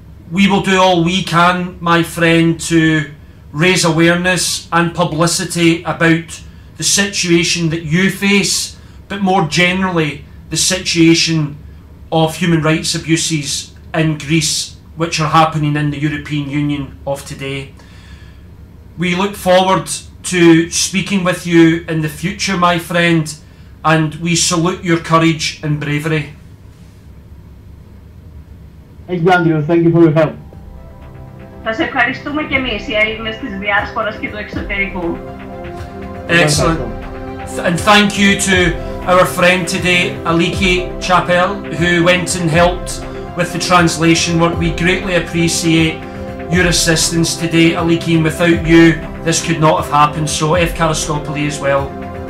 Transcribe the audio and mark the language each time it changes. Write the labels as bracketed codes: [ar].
[en] We will do all we can, my friend, to raise awareness and publicity about the situation that you face, but more generally, the situation of human rights abuses in Greece which are happening in the European Union of today. We look forward to speaking with you in the future, my friend, and we salute your courage and bravery. Thank you, Andrew. Thank you for your help. [el] Σας ευχαριστούμε και εμείς, οι Έλληνες της Διάσπορας και του Εξωτερικού. [en] Excellent. And thank you to our friend today, Aliki Chappell, who went and helped with the translation work. We greatly appreciate your assistance today, Aliki, and without you, this could not have happened. So, Efkaristopoli as well.